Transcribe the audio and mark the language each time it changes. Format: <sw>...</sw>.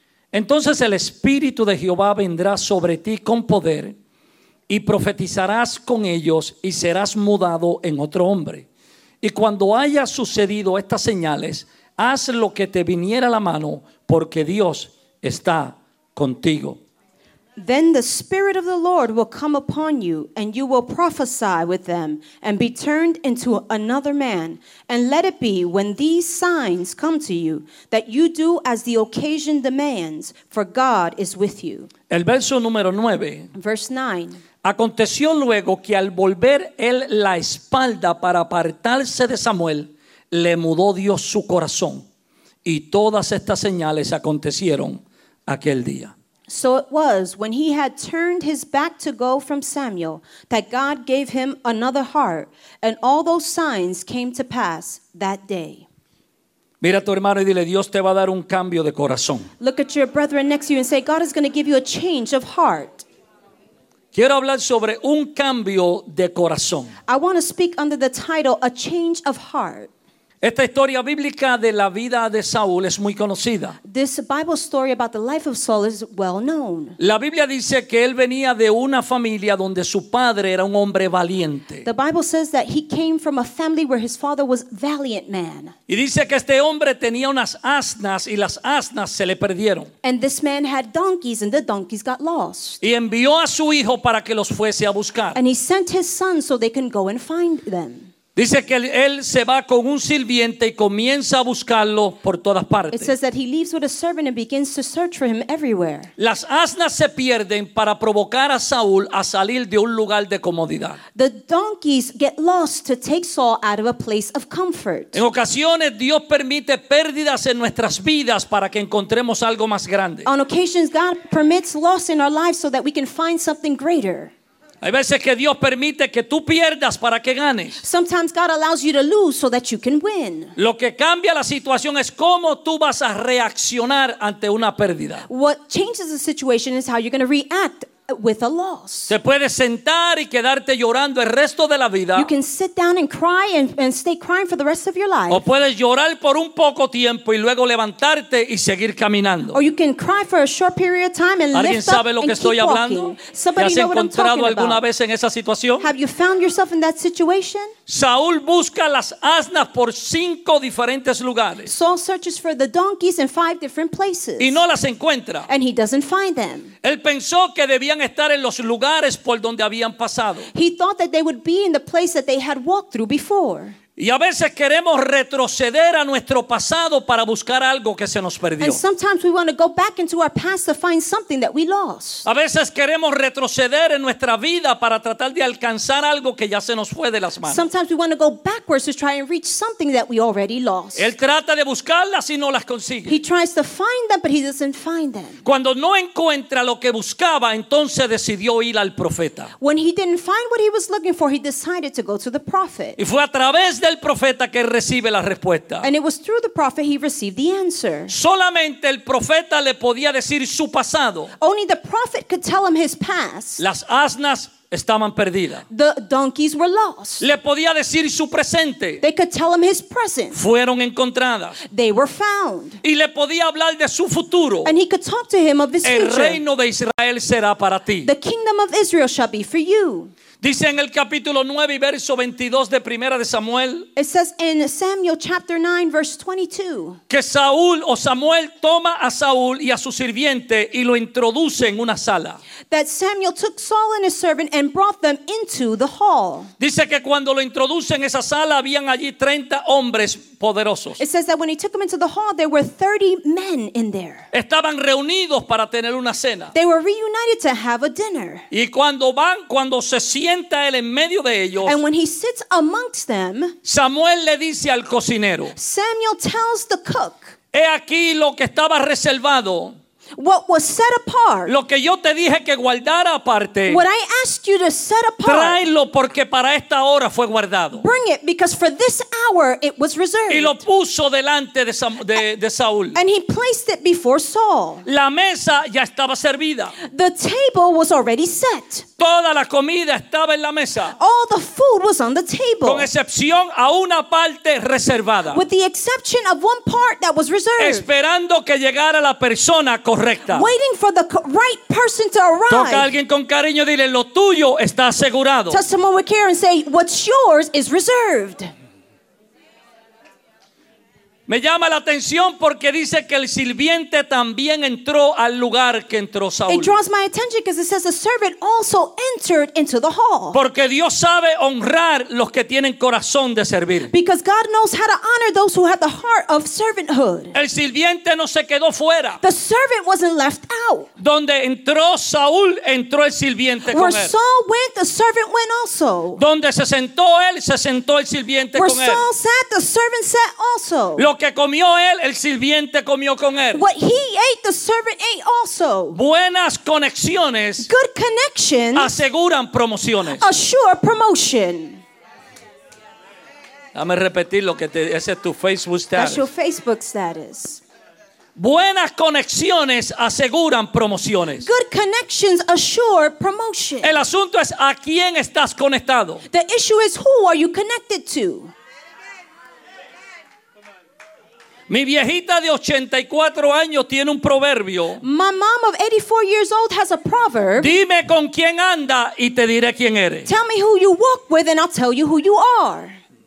<es>Entonces el Espíritu de Jehová vendrá sobre ti con poder, y profetizarás con ellos, y serás mudado en otro hombre. Y cuando haya sucedido estas señales, haz lo que te viniera a la mano, porque Dios está contigo.</es> <en>Then the Spirit of the Lord will come upon you, and you will prophesy with them, and be turned into another man. And let it be, when these signs come to you, that you do as the occasion demands, for God is with you.</en> <es>El verso número 9.</es> <en>Verse 9.</en> <es>Aconteció luego que al volver él la espalda para apartarse de Samuel, le mudó Dios su corazón. Y todas estas señales acontecieron aquel día.</es> <en>So it was, when he had turned his back to go from Samuel, that God gave him another heart, and all those signs came to pass that day.</en> <es>Mira a tu hermano y dile, Dios te va a dar un cambio de corazón.</es> <en>Look at your brethren next to you and say, God is going to give you a change of heart.</en> <es>Quiero hablar sobre un cambio de corazón.</es> <en>I want to speak under the title, A Change of Heart.</en> <es>Esta historia bíblica de la vida de Saúl es muy conocida.</es> <en>This Bible story about the life of Saul is well known.</en> <es>La Biblia dice que él venía de una familia donde su padre era un hombre valiente.</es> <en>The Bible says that he came from a family where his father was a valiant man.</en> <es>Y dice que este hombre tenía unas asnas y las asnas se le perdieron.</es> <en>And this man had donkeys and the donkeys got lost.</en> <es>Y envió a su hijo para que los fuese a buscar.</es> <en>And he sent his son so they can go and find them.</en> <es>Dice que él se va con un sirviente y comienza a buscarlo por todas partes.</es> <en>It says that he leaves with a servant and begins to search for him everywhere.</en> <es>Las asnas se pierden para provocar a Saúl a salir de un lugar de comodidad.</es> <en>The donkeys get lost to take Saul out of a place of comfort.</en> <es>En ocasiones Dios permite pérdidas en nuestras vidas para que encontremos algo más grande.</es> <en>On occasions God permits loss in our lives so that we can find something greater.</en> <es>Hay veces que Dios permite que tú pierdas para que ganes.</es> <en>Sometimes God allows you to lose so that you can win.</en> <es>Lo que cambia la situación es cómo tú vas a reaccionar ante una pérdida.</es> <en>What changes the situation is how you're going to react with a loss.</en> <es>Se puede sentar y quedarte llorando el resto de la vida.</es> <en>You can sit down and cry and stay crying for the rest of your life.</en> <es>O puedes llorar por un poco tiempo y luego levantarte y seguir caminando.</es> <en>Or you can cry for a short period of time and lift up and keep walking.</en> <es>¿Alguien sabe lo que estoy hablando?</es> <en>Somebody</en> <es>¿Te has encontrado alguna vez en esa situación?</es> <en>Have you found yourself in that situation?</en> <es>Saúl busca las asnas por 5 diferentes lugares.</es> <en>Saul searches for the donkeys in 5 different places.</en> <es>Y no las encuentra.</es> <en>And he doesn't find them.</en> <es>Él pensó que debían estar en los lugares por donde habían pasado.</es> <en>He thought that they would be in the place that they had walked through before.</en> <es>Y a veces queremos retroceder a nuestro pasado para buscar algo que se nos perdió.</es> <en>And sometimes we want to go back into our past to find something that we lost.</en> <es>A veces queremos retroceder en nuestra vida para tratar de alcanzar algo que ya se nos fue de las manos.</es> <en>Sometimes we want to go backwards to try and reach something that we already lost.</en> <es>Él trata de buscarlas y no las consigue.</es> <en>He tries to find them, but he doesn't find them.</en> <es>Cuando no encuentra lo que buscaba, entonces decidió ir al profeta.</es> <en>When he didn't find what he was looking for, he decided to go to the prophet.</en> <es>Y fue a través del profeta que recibe la respuesta.</es> <en>And it was through the prophet he received the answer.</en> <es>Solamente el profeta le podía decir su pasado.</es> <en>Only the prophet could tell him his past.</en> <es>Las asnas estaban perdidas.</es> <en>The donkeys were lost.</en> <es>Le podía decir su presente.</es> <en>They could tell him his present.</en> <es>Fueron encontradas.</es> <en>They were found.</en> <es>Y le podía hablar de su futuro.</es> <en>And he could talk to him of his future.</en> <es>El reino de Israel será para ti.</es> <en>The kingdom of Israel shall be for you.</en> <es>Dice en el capítulo 9 y verso 22 de Primera de Samuel.</es> <en>It says in Samuel chapter 9 verse 22.</en> <es>Que Saúl o Samuel toma a Saúl y a su sirviente y lo introduce en una sala.</es> <en>That Samuel took Saul and his servant and brought them into the hall.</en> <es>Dice que cuando lo introduce en esa sala habían allí 30 hombres poderosos.</es> <en>It says that when he took them into the hall there were 30 men in there.</en> <es>Estaban reunidos para tener una cena.</es> <en>They were reunited to have a dinner.</en> <es>Y cuando se sienta él en medio de ellos.</es> <en>And when he sits amongst them,</en> <es>Samuel le dice al cocinero,</es> <en>Samuel tells the cook,</en> <es>he aquí lo que estaba reservado,</es> <en>what was set apart,</en> <es>lo que yo te dije que guardara aparte,</es> <en>what I asked you to set apart,</en> <es>tráelo porque para esta hora fue guardado.</es> <en>Bring it because for this hour power it was reserved.</en> <es>Y lo puso delante de Saúl.</es> <en>And he placed it before Saul.</en> <es>La mesa ya estaba servida.</es> <en>The table was already set.</en> <es>Toda la comida estaba en la mesa.</es> <en>All the food was on the table.</en> <es>Con excepción a una parte reservada.</es> <en>With the exception of one part that was reserved.</en> <es>Esperando que llegara la persona correcta.</es> <en>Waiting for the right person to arrive.</en> <es>Toca a alguien con cariño, dile, lo tuyo está asegurado.</es> <en>Touch someone with care and say, what's yours is reserved.</en> <es>Me llama la atención porque dice que el sirviente también entró al lugar que entró Saúl.</es> <en>It draws my attention because it says the servant also entered into the hall.</en> <es>Porque Dios sabe honrar los que tienen corazón de servir.</es> <en>Because God knows how to honor those who have the heart of servanthood.</en> <es>El sirviente no se quedó fuera.</es> <en>The servant wasn't left out.</en> <es>Donde entró Saúl, entró el sirviente</es> <en>Where</en> <es>con él.</es> <en>Where Saul went, the servant went also.</en> <es>Donde se sentó el sirviente</es> <en>Where</en> <es>con</es> <en>Saul Where Saul sat, the servant sat also.</en> <es>Lo que comió él, el sirviente comió con él.</es> <en>What he ate, the servant ate also.</en> <es>Buenas conexiones.</es> <en>Good connections.</en> <es>Aseguran promociones.</es> <en>Assure promotion.</en> <es>Dame repetir lo que te ese es tu Facebook status.</es> <en>That's your Facebook status.</en> <es>Buenas conexiones aseguran promociones.</es> <en>Good connections assure promotion.</en> <es>El asunto es a quién estás conectado.</es> <en>The issue is who are you connected to.</en> <es>Mi viejita de 84 años tiene un proverbio.</es> <en>My mom of 84 years old has a proverb.</en> <es>Dime con quién anda y te diré quién eres.</es> <en>Tell me who you walk with and I'll tell you who you are.</en>